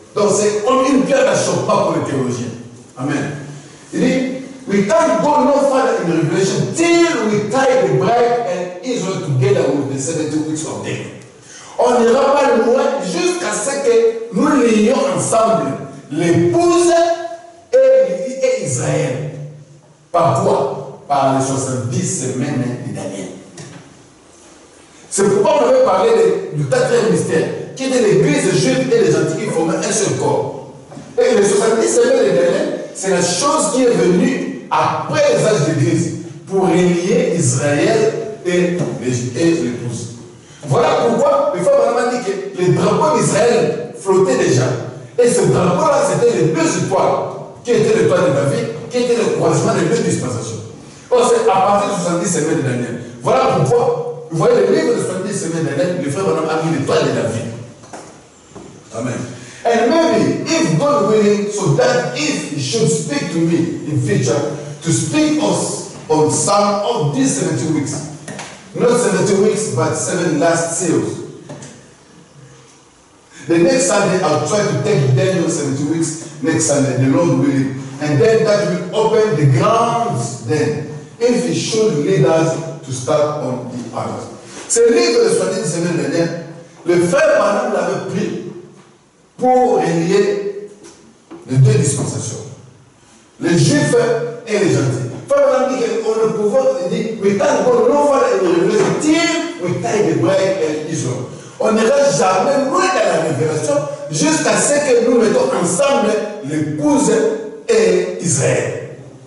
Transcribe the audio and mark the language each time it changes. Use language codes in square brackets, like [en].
[fr] Donc, c'est comme une pierre à choc, pas pour les théologiens. Amen. Il dit, [en] we can't go no further in the revelation till we tie the bride and Israel together with the 70 weeks of death. [fr] On n'ira pas loin jusqu'à ce que nous lions ensemble l'épouse et Israël. Par quoi? Par les 70 semaines de Daniel. C'est pourquoi on avait parlé du 4e mystère, qui était l'église juive et les gentils qui formaient un seul corps. Et les 70 semaines de Daniel, c'est la chose qui est venue après les âges d'église, pour relier Israël et l'épouse. Voilà pourquoi il faut vraiment dire que les drapeaux d'Israël flottaient déjà. Et ce drapeau-là, c'était les deux étoiles qui étaient l'étoile de David, qui étaient le croisement des deux dispensations. Or, c'est à partir de 70 semaines de Daniel. Voilà pourquoi, vous voyez, le livre de 70 semaines de Daniel, le frère Branham a mis l'étoile de David. Amen. [en] And maybe, if God willing, so that if he should speak to me in future, to speak us on some of these 70 weeks. Not 70 weeks, but 7 last seals. The next Sunday, I'll try to take Daniel 70 weeks, next Sunday, the Lord willing. And then that will open the grounds then, if he should lead us to start on the others. [fr] Ce livre de 70 semaines dernière, le frère Branham l'avait pris pour relier les deux dispensations, les juifs et les gentils. Frère Branham dit qu'on ne pouvait pas dire, mais tant qu'on ne va pas être révélé, mais tant que l'Hébreu et l'Israël, on n'ira jamais loin de la révélation jusqu'à ce que nous mettons ensemble l'épouse et Israël.